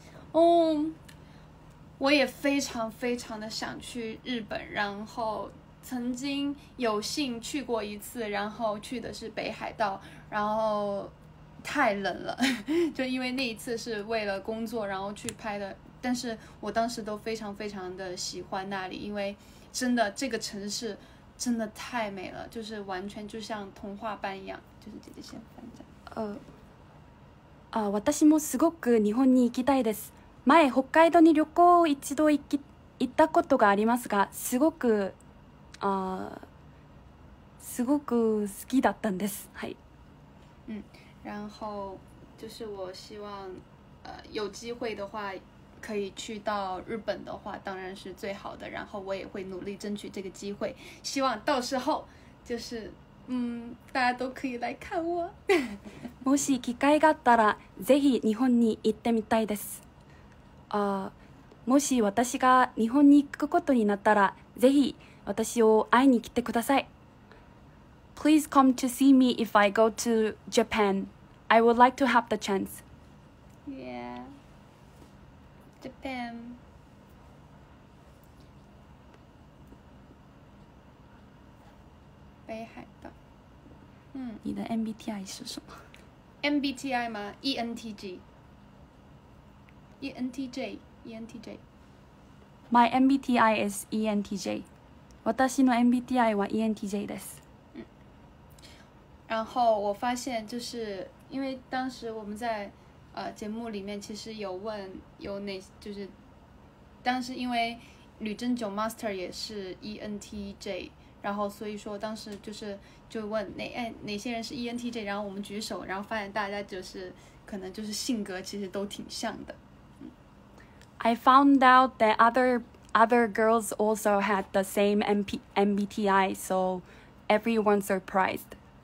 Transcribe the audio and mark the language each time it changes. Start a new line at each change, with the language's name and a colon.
Chinese: 哦我也非常非常的想去日本然后曾经有幸去过一次然后去的是北海道然后太冷了就因为那一次是为了工作然后去拍的但是我当时都非常非常的喜欢那里因为真的这个城市真的太美了就是完全就像童话般一样就是姐姐先翻
Japanese: 着私もすごく日本に行きたいです前北海道に旅行を一度行ったことがありますがすごくすごく好きだったんですはい
Chinese: 然后就是我希望有机会的话可以去到日本的话当然是最好的然后我也会努力争取这个机会希望到时候就是大家都可以来看我
Japanese: もし機会があったらぜひ日本に行ってみたいですもし私が日本に行くことになったらぜひ私を会いに来てください
English: Please come to see me if I go to Japan I would like to have the chance yeahJapan 北海道
Chinese: 你的 MBTI 是什么
English: MBTI 吗 ENTG ENTJ ENTJ My MBTI is ENTJ
Japanese: 私の MBTI は ENTJ です
Chinese: 然后我发现就是因为当时我们在节目里面其实有问有哪就是当时因为吕正九 Master 也是 ENTJ 然后所以说当时就是就问 哪些人是 ENTJ 然后我们举手然后发现大家就是可能就是性格其实都挺像的
English: I found out that other other girls also had the same MBTI, so everyone surprised.